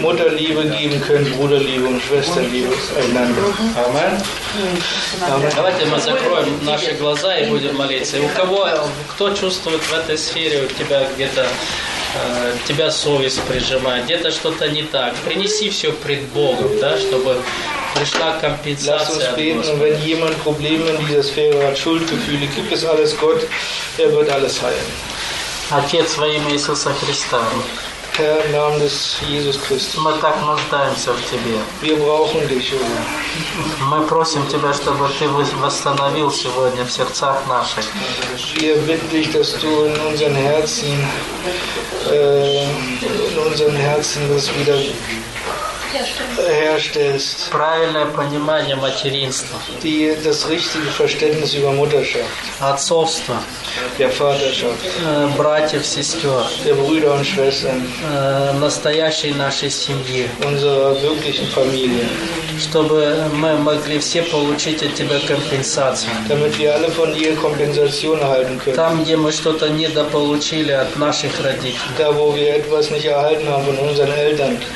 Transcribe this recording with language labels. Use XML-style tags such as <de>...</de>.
<de>Mutterliebe geben können, Bruderliebe und Schwesterliebe.</de> <ru>Амен. Давайте мы закроем наши глаза и будем молиться. У кого, кто чувствует в этой сфере, у тебя где-то тебя совесть прижимает, где-то что-то не так, принеси все пред Богом, да, чтобы пришла компенсация от Господа. Отец во имя Иисуса Христа.</ru> <de>Herr, im Namen des Jesus Christus.</de> <ru>Мы так нуждаемся в Тебе.</ru> <de>Wir brauchen dich, Herr.</de> <ru>Мы просим Тебя, чтобы Ты восстановил сегодня в сердцах наших.</ru> <de>Wir bitten dich, dass du in unseren Herzen, das wieder herstellst.</de> <ru>Правильное понимание материнства.</ru> <de>Das richtige Verständnis über Mutterschaft.</de> <ru>Отцовство.</ru> <de>Der Vaterschaft.</de> <ru>Братьев, сестер.</ru> <de>Der Brüder und Schwestern.</de> <ru>Настоящей нашей семьи.</ru> <de>Unserer wirklichen Familie.</de> <ru>Чтобы мы могли все получить от Тебя компенсацию.</ru> <de>Damit wir alle von dir Kompensation erhalten können.</de> <ru>Там, где мы что-то недополучили от наших родителей.</ru> <de>Da, wo wir etwas nicht erhalten haben von unseren Eltern.</de>